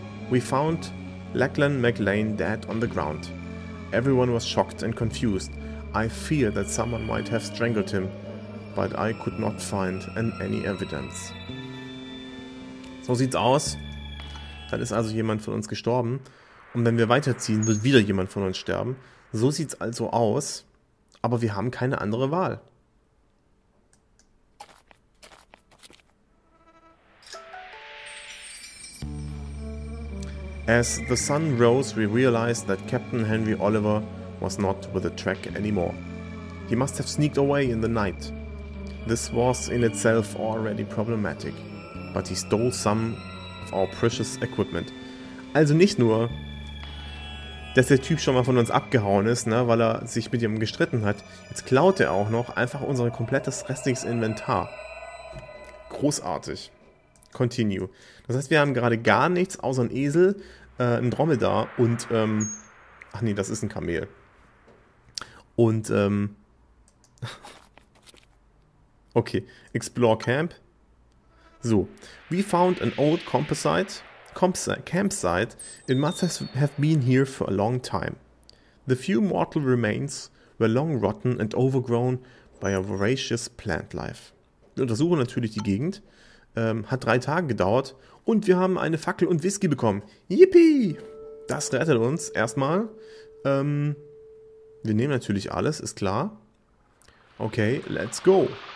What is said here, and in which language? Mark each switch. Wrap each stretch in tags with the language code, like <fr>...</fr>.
<en>We found Lachlan McLean dead on the ground. Everyone was shocked and confused. I fear that someone might have strangled him, but I could not find any evidence.</en> <de>So sieht's aus. Dann ist also jemand von uns gestorben. Und wenn wir weiterziehen, wird wieder jemand von uns sterben. So sieht's also aus. Aber wir haben keine andere Wahl.</de> <en>As the sun rose, we realized that Captain Henry Oliver was not with the Trek anymore. He must have sneaked away in the night. This was in itself already problematic, but he stole some of our precious equipment.</en> <de>Also nicht nur, dass der Typ schon mal von uns abgehauen ist, ne, weil er sich mit ihm gestritten hat, jetzt klaut er auch noch einfach unser komplettes restliches Inventar. Großartig. Continue. Das heißt, wir haben gerade gar nichts außer ein Esel, ein Dromedar und, ach nee, das ist ein Kamel. Und, okay, Explore Camp.</de> <en>So, we found an old campsite. It must have been here for a long time. The few mortal remains were long rotten and overgrown by a voracious plant life.</en> <de>Wir untersuchen natürlich die Gegend. Hat 3 Tage gedauert und wir haben eine Fackel und Whisky bekommen. Yippie! Das rettet uns erstmal. Wir nehmen natürlich alles, ist klar.</de> <en>Okay, let's go.</en>